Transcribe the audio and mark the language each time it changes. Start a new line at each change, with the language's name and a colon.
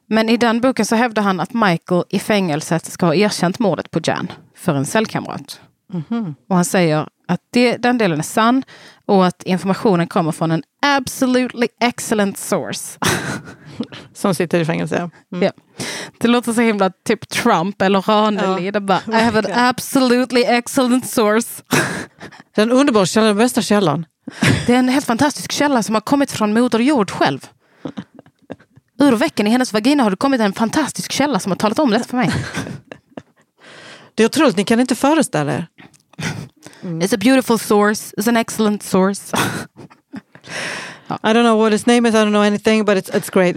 Swedish: Men i den boken så hävdar han att Michael i fängelset ska ha erkänt mordet på Jan för en cellkamrat. Mm. Och han säger att den delen är sann och att informationen kommer från en
English: absolutely excellent source.
Swedish: Som sitter i fängelse. Ja. Mm. Yeah. Det låter så himla typ Trump eller Ranelid. Ja. Det bara,
English: I have an absolutely excellent source.
Swedish: Den underbara källan, den bästa källan. Det är en helt fantastisk källa som har kommit från moder jord själv. Ur veckan i hennes vagina har det kommit en fantastisk källa som har talat om det för mig. Det är otroligt, ni kan inte föreställa er.
English: Mm. It's a beautiful source. It's an excellent source. I don't know what his name is. I don't know anything, but it's great.